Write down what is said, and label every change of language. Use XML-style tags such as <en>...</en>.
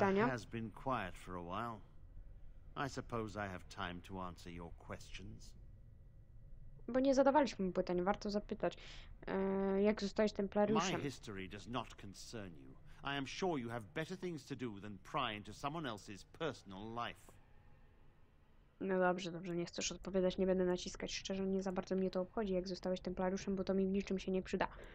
<en>The tower has been quiet for a while. I suppose I have time to answer your questions.</en> <pl>Bo nie zadawaliśmy mu pytań, warto zapytać. Jak zostałeś Templariuszem?</pl> <en>My history does not concern you. I am sure you have better things to do than pry into someone else's personal life.</en> <pl>No dobrze, dobrze, nie chcesz odpowiadać, nie będę naciskać. Szczerze, nie za bardzo mnie to obchodzi, jak zostałeś Templariuszem, bo to mi w niczym się nie przyda.</pl>